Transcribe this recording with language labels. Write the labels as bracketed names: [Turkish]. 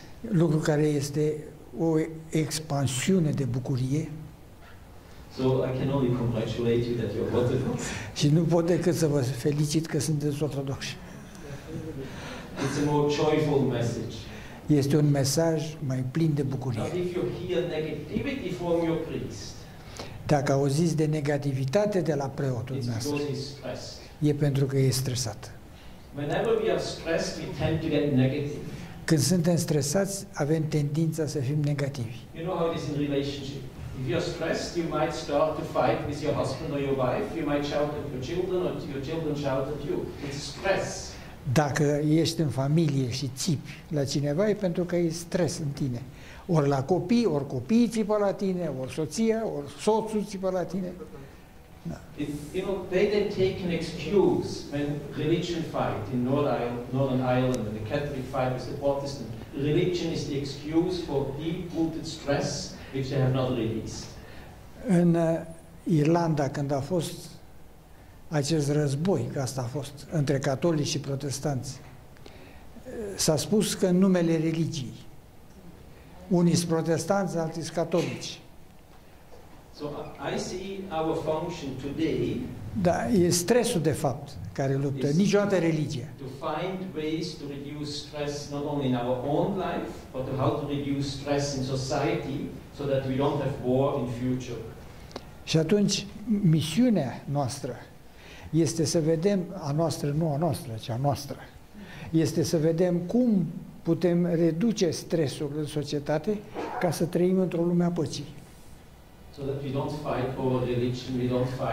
[Romanian] Lucru care este o expansiune de bucurie. [English] So I can only congratulate you that you're Orthodox. [Romanian] Și nu pot decât să vă felicit că sunteți ortodoxi. [English] It's a more joyful message. [Romanian] Este un mesaj mai plin de bucurie. [English] But if you hear negativity from your priest, [Romanian] dacă auziți de negativitate de la preotul nostru, e pentru că e stresat. [English] Whenever we are stressed, we tend to get negative. [Romanian] Când suntem stresați, avem tendința să fim negativi. [English] You know how it is in relationship. If you're stressed, you might start to fight with your husband or your wife. You might shout at your children or your children shout at you. It's stress. [Romanian] Dacă ești în familie și țipi la cineva, e pentru că e stres în tine. Ori la copii, ori copiii țipă la tine, ori soția, ori soțul țipă la tine. [English] No. If, you know, they then take an excuse when religion fight in Northern Ireland and the Catholic fight with the Protestant. Religion is the excuse for deep-rooted stress which they have not released. [Romanian] În Irlanda, când a fost acest război, că asta a fost, între catolici și protestanți, s-a spus că în numele religiei, unii sunt protestanți, alții sunt catolici. [English] So I see our function today. [Romanian] Da, e stresul de fapt care luptă, niciodată religia. [English] To find ways to reduce stress not only in our own life, but how to reduce stress in society so that we don't have war in future. [Romanian] Și atunci misiunea noastră este să vedem a noastră, nu a noastră, ci a noastră. Este să vedem cum putem reduce stresul în societate ca să trăim într-o lume a păcii. [English] So that we don't fight over religion, we don't fight.